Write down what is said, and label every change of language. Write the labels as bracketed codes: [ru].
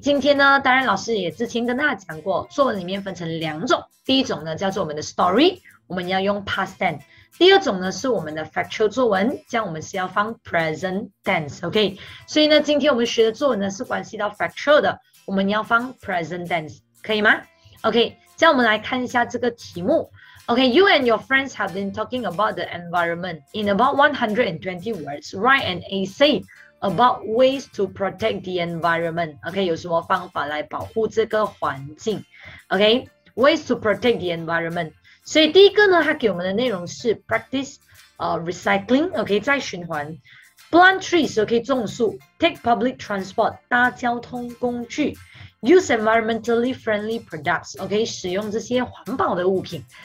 [zh] 今天呢，当然老师也之前跟大家讲过，作文里面分成两种，第一种呢叫做我们的 Story， 我们要用 Past Tense。第二种呢是我们的 factual 作文，这样我们是要放 present tense， OK？所以呢，今天我们学的作文呢是关系到 factual 的，我们要放 present tense， 可以吗？ OK， 这样我们来看一下这个题目。 [en] OK， you and your friends have been talking about the environment in about 120 words. Write an essay about ways to protect the environment. [zh] OK， 有什么方法来保护这个环境？ OK， [en] ways to protect the environment。 [zh] 所以第一个呢，它给我们的内容是 [en] practice recycling， [zh] OK， 再循环 [en] plant trees， [zh] OK， 种树 [en] take public transport， [zh] 搭交通工具 [en] use environmentally friendly products， [zh] OK， 使用这些环保的物品。